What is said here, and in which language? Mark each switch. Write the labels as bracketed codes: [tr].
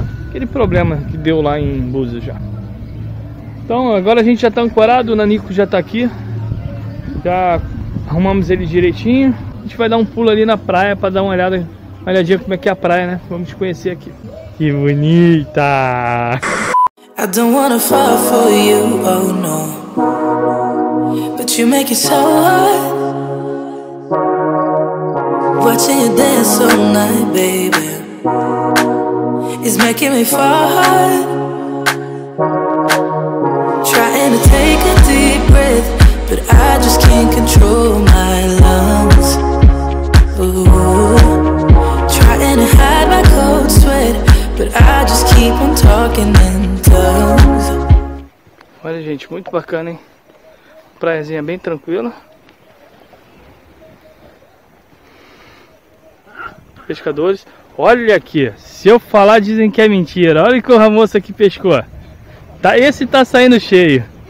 [pt] Aquele problema que deu lá em Búzios já. Então agora a gente já tá ancorado, o Nanico já tá aqui. Já arrumamos ele direitinho. A gente vai dar um pulo ali na praia para dar uma olhadinha como é que é a praia, né? Vamos te conhecer aqui. Que bonita! [en] I don't wanna fall for you, oh no. But you make it so hard. Watching you dance all night, baby. It's making me fall hard. Trying to take a deep breath, but I just can't control my lungs. Ooh, trying to hide my cold sweat, but I just keep on talking in tongues. [pt] Olha, gente, muito bacana, hein? Praiazinha bem tranquila. Pescadores, olha aqui. Se eu falar, dizem que é mentira. Olha como a moça aqui pescou. Tá, esse tá saindo cheio.